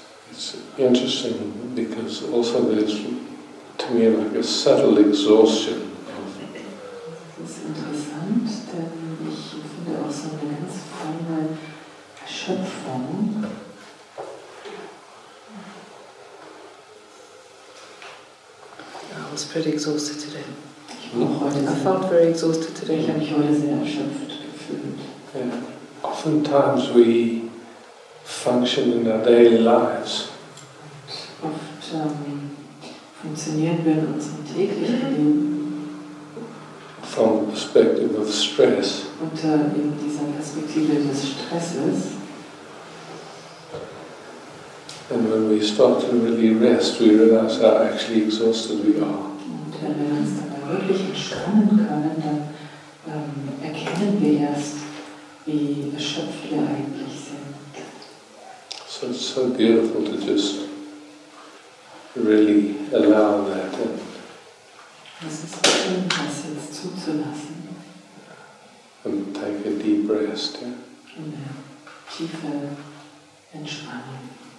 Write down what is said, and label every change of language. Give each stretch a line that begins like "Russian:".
English: It's interesting because also there's, to me, like a subtle exhaustion.
German: Das ist interessant, denn ich finde auch so eine ganz feine Erschöpfung.
English: I was pretty exhausted today. I felt very exhausted today.
German: Ich habe mich heute sehr erschöpft gefühlt.
English: Oftentimes we function in our daily lives.
German: Oft funktionieren wir in unserem täglichen Leben.
English: From the perspective of stress.
German: Unter eben dieser Perspektive des Stresses.
English: And when we start to really rest, we realize how actually exhausted we are.
German: Und wenn wir uns dabei wirklich entspannen können, dann erkennen wir erst, wie erschöpft wir eigentlich sind.
English: So it's so beautiful to just really allow that.
German: Es ist schön, das jetzt zuzulassen.
English: And take a deep rest. Yeah?
German: Eine tiefe Entspannung.